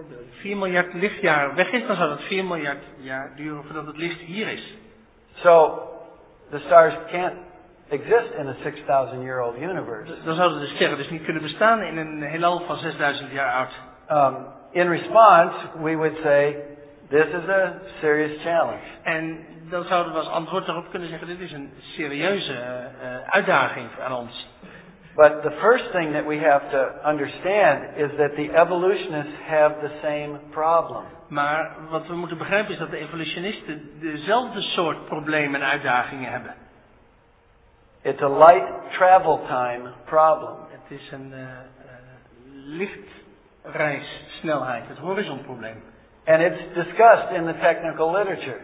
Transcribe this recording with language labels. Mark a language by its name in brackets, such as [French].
[Dutch] 4 miljard lichtjaar weg is, dan zou dat 4 miljard jaar duren voordat het licht hier is. [English] So, the stars can't exist in a 6,000 year old universe. [Dutch] Dan zouden de sterren dus niet kunnen bestaan in een heelal van 6,000 jaar oud. [English] In response, we would say, this is a serious challenge. [Dutch] En dan zouden we als antwoord daarop kunnen zeggen, dit is een serieuze uitdaging aan ons. [English] But the first thing that we have to understand is that the evolutionists have the same problem. [Dutch] Maar wat we moeten begrijpen is dat de evolutionisten dezelfde soort problemen en uitdagingen hebben. [English] It's a light travel time problem. [Dutch] Het is een lichtreissnelheid, het horizonprobleem. [English] And it's discussed in the technical literature.